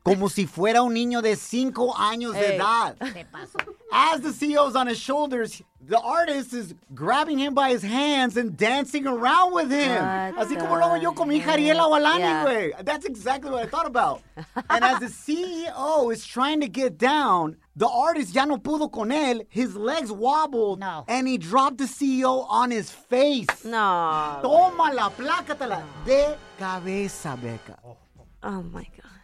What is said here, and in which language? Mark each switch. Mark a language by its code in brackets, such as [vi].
[es] Como si fuera un niño de 5 años de edad. [en] As the CEO's on his shoulders, the artist is grabbing him by his hands and dancing around with him. [es] Así como lo hago yo con mi hija Ariela Walani, güey. [en] Yeah. That's exactly what I thought about. And as the CEO is trying to get down, the artist [es] ya no pudo con él. [en] His legs wobbled. No. And he dropped the CEO on his face. No. [es] Tómala, plácatala. De cabeza, Becca. [en] Oh, my God.